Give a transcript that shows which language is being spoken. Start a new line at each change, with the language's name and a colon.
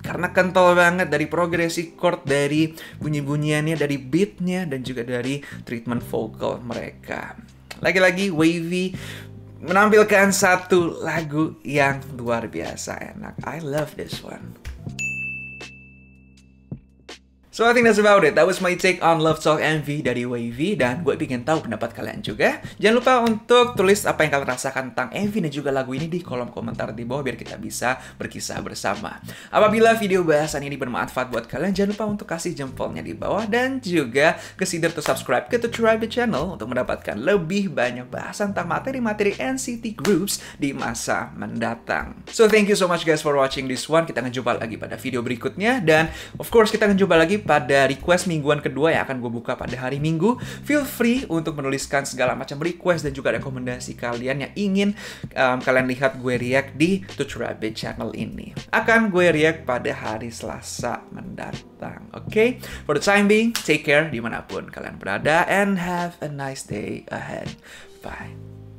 Indonesian: Karena kental banget dari progresi chord, dari bunyi-bunyiannya, dari beatnya, dan juga dari treatment vocal mereka. Lagi-lagi Wavy menampilkan satu lagu yang luar biasa enak.
English: I love this one. So I think that's about it. That was my take on Love Talk MV dari Wavy.
Indonesian: Dan gue pengen tahu pendapat kalian juga. Jangan lupa untuk tulis apa yang kalian rasakan tentang MV dan juga lagu ini di kolom komentar di bawah, biar kita bisa berkisah bersama. Apabila video bahasan ini bermanfaat buat kalian, jangan lupa untuk kasih jempolnya di bawah. Dan juga
English: consider to subscribe
Indonesian: ke Tribe Channel untuk mendapatkan lebih banyak bahasan tentang materi-materi NCT Groups di masa mendatang.
English: So thank you so much guys for watching this one.
Indonesian: Kita akan jumpa lagi pada video berikutnya. Dan
English: of course
Indonesian: kita akan jumpa lagi pada request mingguan kedua yang akan gue buka pada hari Minggu.
English: Feel free
Indonesian: untuk menuliskan segala macam request dan juga rekomendasi kalian yang ingin kalian lihat gue react di Touch Rabbit Channel ini. Akan gue react pada hari Selasa mendatang. Okay?
English: For the time being, take care
Indonesian: dimanapun kalian berada
English: and have a nice day ahead. Bye.